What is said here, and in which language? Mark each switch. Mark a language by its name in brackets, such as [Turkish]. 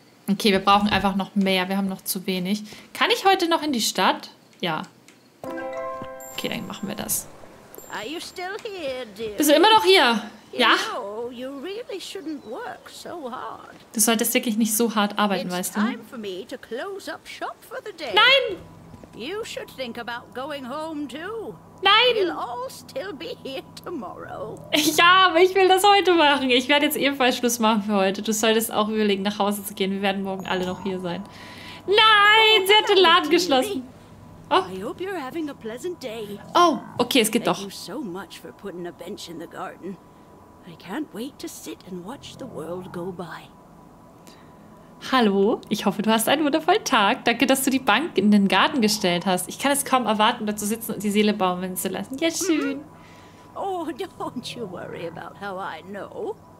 [German] Okay, wir brauchen einfach noch mehr. Wir haben noch zu wenig. Kann ich heute noch in die Stadt? Ja. Okay, dann machen wir das. [English] Are you still here, dear? [German] Bist du immer noch hier? Ja? [English] You really shouldn't work so hard. [German] Du solltest wirklich nicht so hart arbeiten, weißt du? [English] It's time for me to close up shop for the day. [German] Nein! [English] You should think about going home too. [German] Nein! [English] We'll all still be here tomorrow. [German] Ja, aber ich will das heute machen. Ich werde jetzt ebenfalls Schluss machen für heute. Du solltest auch überlegen, nach Hause zu gehen. Wir werden morgen alle noch hier sein. Nein! Sie hat den Laden geschlossen. [English] Oh. I hope you're having a pleasant day. [German] Oh, okay, es geht [English] Thank [German] doch. [English] Thank you so much for putting a bench in the garden. I can't wait to sit and watch the world go by. [German] Hallo, ich hoffe, du hast einen wundervollen Tag. Danke, dass du die Bank in den Garten gestellt hast. Ich kann es kaum erwarten, da zu sitzen und die Seele baumeln zu lassen. Ja, schön. [English] Oh, don't you worry about how I know.